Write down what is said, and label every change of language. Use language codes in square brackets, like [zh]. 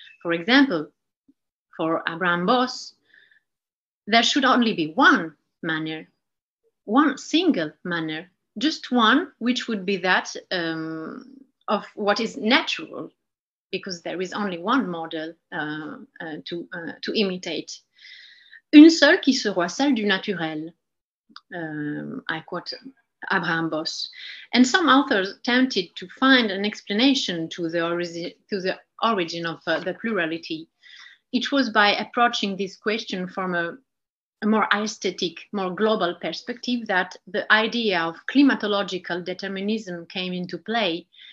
[en] For example, for Abraham Bos, there should only be one manner, one single manner, just one, which would be that of what is natural, because there is only one model to imitate. [fr] Une seule qui sera celle du naturel, [en] I quote [fr] Abraham Bos. [en] And some authors attempted to find an explanation to the origin of the plurality. It was by approaching this question from a more aesthetic, more global perspective that the idea of climatological determinism came into play.